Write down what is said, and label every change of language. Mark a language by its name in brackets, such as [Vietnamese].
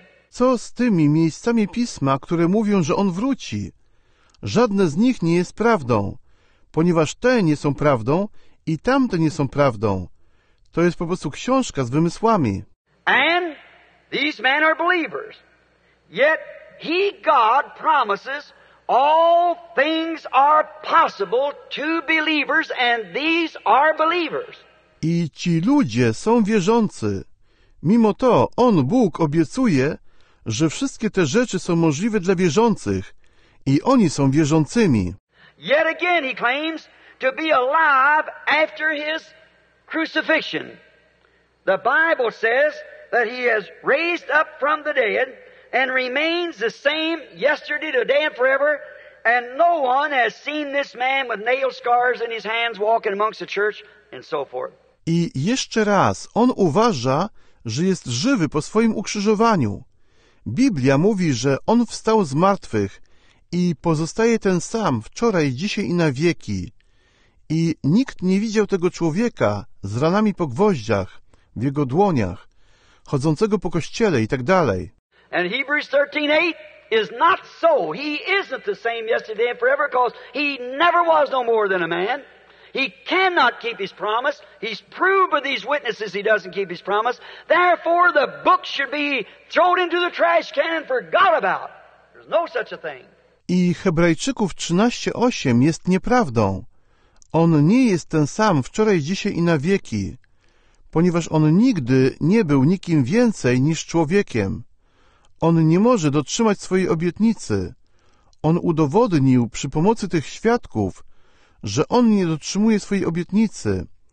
[Polish] Co z tymi miejscami Pisma, które mówią, że on wróci? Żadne z nich nie jest prawdą, ponieważ te nie są prawdą i tamte nie są prawdą. To jest po prostu książka z wymysłami. [English] And these men are believers. Yet he, God, promises all things are possible to believers, and these are believers. [Polish] I ci ludzie są wierzący. Mimo to, on, Bóg, obiecuje, że wszystkie te rzeczy są możliwe dla wierzących, i oni są wierzącymi. [English] Yet again he claims to be alive after his crucifixion. The Bible says that he has raised up from the dead, and remains the same yesterday, today, and forever, and no one has seen this man with nail scars in his hands walking amongst the church, and so forth. [Polish] I jeszcze raz, on uważa, że jest żywy po swoim ukrzyżowaniu. Biblia mówi, że on wstał z martwych i pozostaje ten sam wczoraj, dzisiaj i na wieki. I nikt nie widział tego człowieka z ranami po gwoździach, w jego dłoniach, chodzącego po kościele i tak dalej. [English] And Hebrews 13:8 is not so. He isn't the same yesterday and forever, because he never was no more than a man. He cannot keep his promise. He's proved with these witnesses he doesn't keep his promise. Therefore, the book should be thrown into the trash can and forgot about. There's no such a thing. [Polish] I Hebrajczyków 13:8 jest nieprawdą. On nie jest ten sam wczoraj, dzisiaj i na wieki, ponieważ on nigdy nie był nikim więcej niż człowiekiem. On nie może dotrzymać swojej obietnicy. On udowodnił przy pomocy tych świadków, że on nie dotrzymuje swojej obietnicy.